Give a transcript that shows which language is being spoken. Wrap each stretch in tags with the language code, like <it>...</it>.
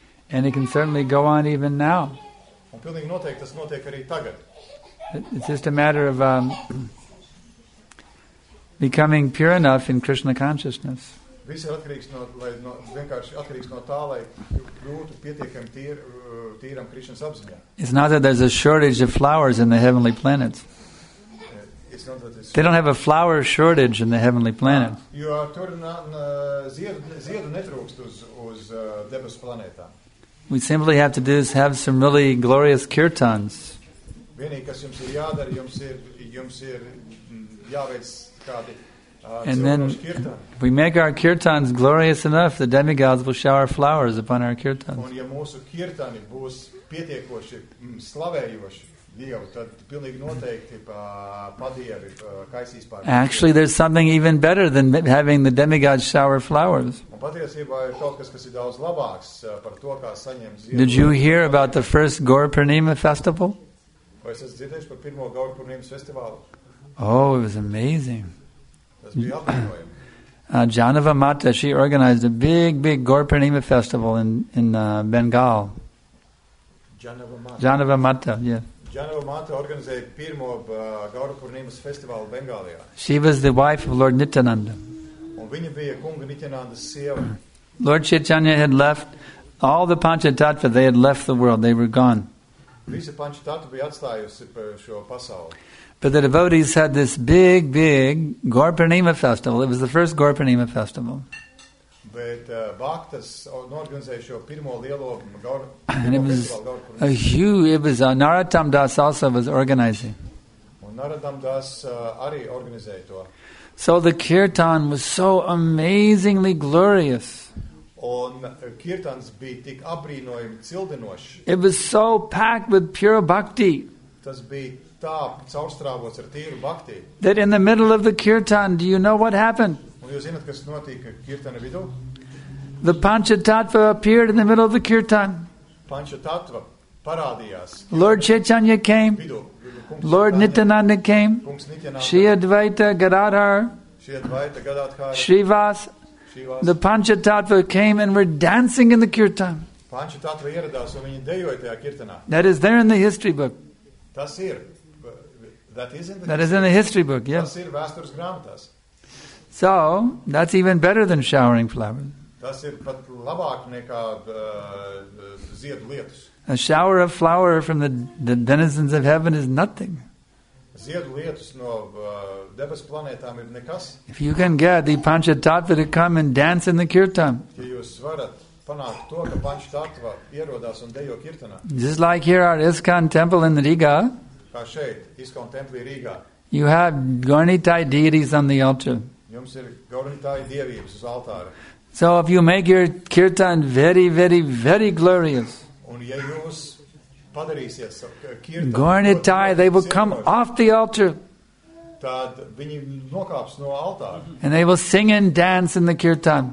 <en>And it can certainly go on even now. It's just a matter of becoming pure enough in Krishna consciousness.</en> <lv>Visi atkarīgs no, lai no, vienkārši atkarīgs no tā, lai būtu pietiekami tīram Krišnas apziņā.</lv> <en>It's not that there's a shortage of flowers in the heavenly planets. They don't have a flower shortage in the heavenly planets.</en> <lv>Jo tur ziedu netrūkst uz debesu planētām.</lv> <en>We simply have to do is have some really glorious kirtans.</en> <lv>Vienīgi, kas jums ir jādara, jums ir jāveic</lv> <en>And then if we make our kirtans glorious enough, the demigods will shower flowers upon our kirtans.</en> <lv>Un ja mūsu kirtani būs pietiekoši slavējoši Dievu, tad pilnīgi noteikti padievi kaisīs pār.</lv> <en>Actually, there's something even better than having the demigods shower flowers.</en> <lv>Un patiesībā ir kaut kas, kas ir daudz labāks par to, kā saņem ziedu.</lv> <en>Did you hear about the first Gaura Purnima festival?</en> <lv>Vai esat dzirdējuši par pirmo Gaura Purnimas festivālu?</lv> <en>Oh, it was amazing. Janava Mata, she organized a big Gaura Purnima festival in Bengal. Janava Mata. Janava Mata, yeah. Janava Mata organized the</en> <lv>pirmo</lv> <en>Gaura Purnima festival in Bengal. She was the wife of Lord Nityananda.</en> <lv>Un viņa bija kunga Nityananda sieva.</lv> <en>Lord Chaitanya had left all the Panchatattva, they had left the world, they were gone.</en> <lv>Visi Panchatattva bija atstājusi par šo pasauli.</lv> <en>But the devotees had this big Gaura Purnima festival. It was the first Gaura Purnima festival.</en> <lv>But Bhaktas organizēja šo pirmo lielo Gaura</lv> <en>And it was a huge, Narottam Das also was organizing.</en> <lv>Un Narottam Das arī organizēja to.</lv> <en>So the kirtan was so amazingly glorious.</en> <lv>Un kirtans bija tik abrīnojami cildinoši.</lv> <en>It was so packed with pure bhakti.</en> <lv>Tas bija tā caurstrāvots ar tīru bhakti.</lv> <en>That in the middle of the kirtan, do you know what happened?</en> <lv>Un jūs zināt, kas notika kirtana vidū?</lv> <en>The Panchatattva appeared in the middle of the kirtan.</en> <lv>Panchatattva parādījās.</lv> <en>Lord Chaitanya came. Lord Nityananda came. Shri Advaita Gadadhar. Shrivas. The Panchatattva came and were dancing in the kirtan.</en> <lv>Panchatattva ieradās un viņi dejoja tajā kirtanā.</lv> <en>That is there in the history book.</en> <lv>Tas ir.</lv> <en>That is in the history book, yes.</en> <lv>Tas ir vēstures grāmatās.</lv> <en>So, that's even better than showering flowers.</en> <lv>Tas ir pat labāk nekā ziedu lietus.</lv> <en>A shower of flower from the denizens of heaven is nothing.</en> <lv>Ziedu lietus no debes planētām ir nekas.</lv> <en>If you can get the Panchatattva to come and dance in the kirtan.</en> <lv>Ja jūs varat panākt to, ka Panchatattva ierodās un dejo kirtanā.</lv> <en>Just like here at ISKCON temple in Rīgā.</en> <lv>Kā šeit, ISKCON templī Rīgā.</lv> <en>You have Gaurinitai deities on the altar.</en> <lv>Jums ir Gaurinitai dievības uz altāra.</lv> <en>So if you make your kirtan very, very, very glorious,</en> <lv>un ja jūs padarīsies kirtan,</lv> <en>Gaurinitai, they will come off the altar.</en> <lv>Tad viņi nokāps no altāra.</lv> <en>And they will sing and dance in the kirtan.</en>